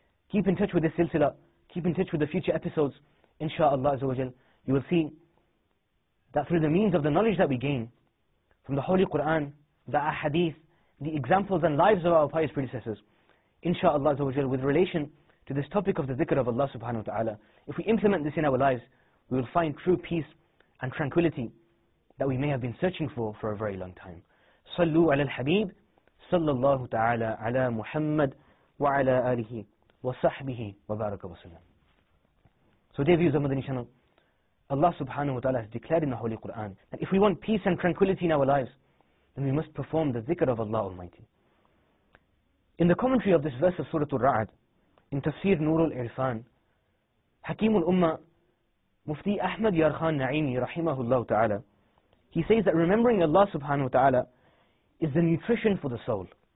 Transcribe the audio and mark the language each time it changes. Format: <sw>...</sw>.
<en>Keep in touch with this silsila, keep in touch with the future episodes, insha'Allah azza wa jal, you will see that through the means of the knowledge that we gain from the Holy Quran, the Ahadith, the examples and lives of our pious predecessors, insha'Allah azza wa jal, with relation to this topic of the dhikr of Allah subhanahu wa ta'ala, if we implement this in our lives, we will find true peace and tranquility that we may have been searching for a very long time.</en> <ar>Sallu ala al-Habib, صلى الله تعالى على محمد وعلى آله وصحبه وبارك وسلم.</ar> <en>So dear viewers of Madani Channel, Allah subhanahu wa ta'ala has declared in the Holy Quran that if we want peace and tranquility in our lives, then we must perform the dhikr of Allah Almighty. In the commentary of this verse of Surah Al-Ra'ad, in Tafsir Nurul Irfan, Hakim al-Ummah, Mufti Ahmad Yar Khan Na'imi rahimahullah ta'ala, he says that remembering Allah subhanahu wa ta'ala is the nutrition for the soul.</en>